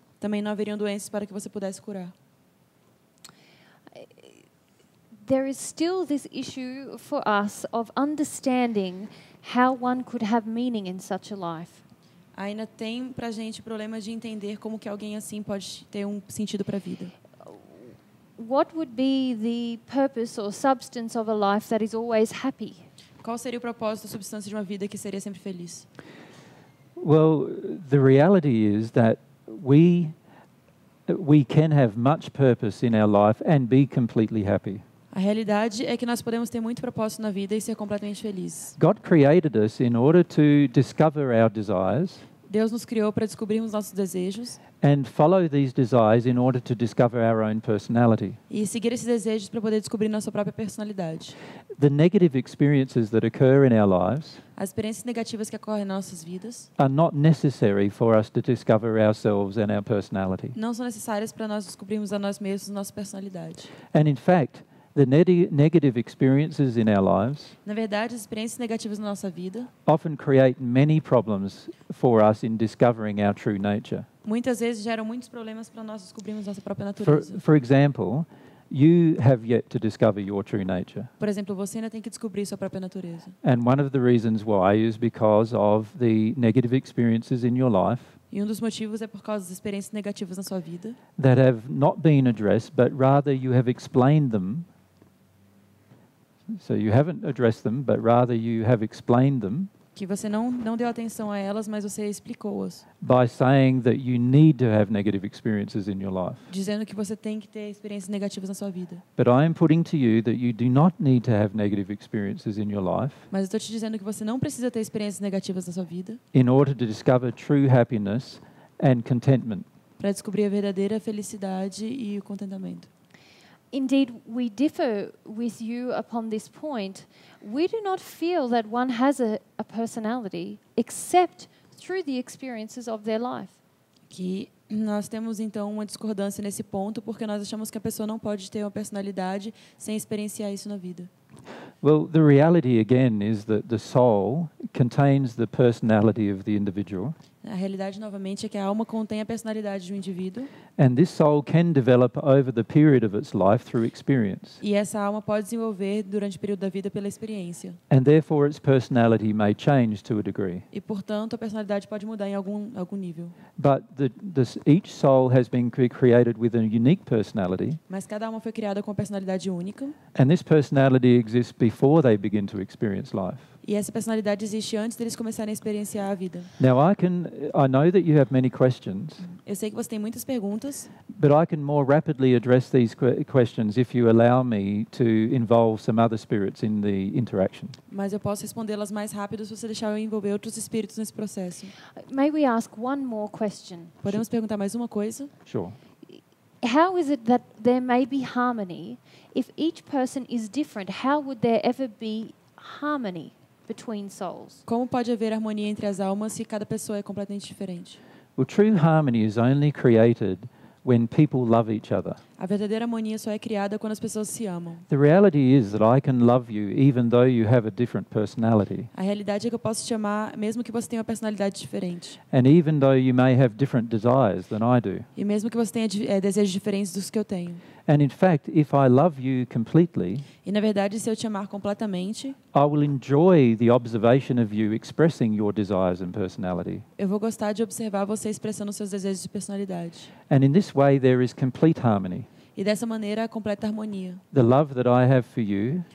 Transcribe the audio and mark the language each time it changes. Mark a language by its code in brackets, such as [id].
[pt] Também não haveriam doenças para que você pudesse curar. [en] There is still this issue for us of understanding how one could have meaning in such a life. [pt] Ainda tem para a gente problemas de entender como que alguém assim pode ter um sentido para a vida. [en] What would be the purpose or substance of a life that is always happy? [pt] Qual seria o propósito ou substância de uma vida que seria sempre feliz? [en] Well, the reality is that we can have much purpose in our life and be completely happy. [pt] A realidade é que nós podemos ter muito propósito na vida e ser completamente felizes. [en] God created us in order to discover our desires. [pt] Deus nos criou para descobrirmos nossos desejos. [en] And follow these desires in order to discover our own personality. [pt] E seguir esses desejos para poder descobrir nossa própria personalidade. [en] The negative experiences that occur in our lives. [pt] As experiências negativas que ocorrem nas nossas vidas. [en] Are not necessary for us to discover ourselves and our personality. [pt] Não são necessárias para nós descobrirmos a nós mesmos nossa personalidade. [en] And in fact, the negative experiences in our lives. [pt] Na verdade, as experiências negativas na nossa vida. [en] Often create many problems for us in discovering our true nature. [pt] Muitas vezes geram muitos problemas para nós descobrirmos nossa própria natureza. [en] For example, you have yet to discover your true nature. [pt] Por exemplo, você ainda tem que descobrir sua própria natureza. [en] And one of the reasons why is because of the negative experiences in your life. [pt] E um dos motivos é por causa das experiências negativas na sua vida. [en] That have not been addressed, but rather you have explained them. So you haven't addressed them, but rather you have explained them. [pt] Que você não deu atenção a elas, mas você explicou-as. [en] By saying that you need to have negative experiences in your life. [pt] Dizendo que você tem que ter experiências negativas na sua vida. [en] But I am putting to you that you do not need to have negative experiences in your life. [pt] Mas eu estou te dizendo que você não precisa ter experiências negativas na sua vida. [en] In order to discover true happiness and contentment. [pt] Para descobrir a verdadeira felicidade e o contentamento. [en] Indeed, we differ with you upon this point. We do not feel that one has a personality except through the experiences of their life. [pt] Que nós temos então uma discordância nesse ponto porque nós achamos que a pessoa não pode ter uma personalidade sem experienciar isso na vida. [en] Well, the reality again is that the soul contains the personality of the individual. [pt] A realidade novamente é que a alma contém a personalidade de um indivíduo. [en] And this soul can develop over the period of its life through experience. [pt] E essa alma pode desenvolver durante o período da vida pela experiência. [en] And therefore its personality may change to a degree. [pt] E portanto a personalidade pode mudar em algum nível. [en] But each soul has been created with a unique personality. [pt] Mas cada alma foi criada com uma personalidade única. [en] And this personality exists before they begin to experience life. [pt] E essa personalidade existe antes deles começarem a experienciar a vida. [en] Now I know that you have many questions. [pt] Eu sei que você tem muitas perguntas. [en] But I can more rapidly address these questions if you allow me to involve some other spirits in the interaction. [pt] Mas eu posso respondê-las mais rápido se você deixar eu envolver outros espíritos nesse processo. [en] May we ask one more question? [pt] Podemos perguntar mais uma coisa? [en] Sure. How is it that there may be harmony if each person is different? How would there ever be harmony between souls? [pt] Como pode haver harmonia entre as almas se cada pessoa é completamente diferente? [en] Well, true harmony is only created when people love each other. [pt] A verdadeira harmonia só é criada quando as pessoas se amam. [en] The reality is that I can love you even though you have a different personality. [pt] A realidade é que eu posso te amar mesmo que você tenha uma personalidade diferente. [en] And even though you may have different desires than I do. [pt] E mesmo que você tenha desejos diferentes dos que eu tenho. [en] And in fact, if I love you completely, [pt] e na verdade, se eu te amar completamente, [en] I will enjoy the observation of you expressing your desires and personality. [pt] Eu vou gostar de observar você expressando seus desejos de personalidade. [en] And in this way, there is complete harmony. [pt] E dessa maneira, a completa harmonia. [en] The love that I have for you,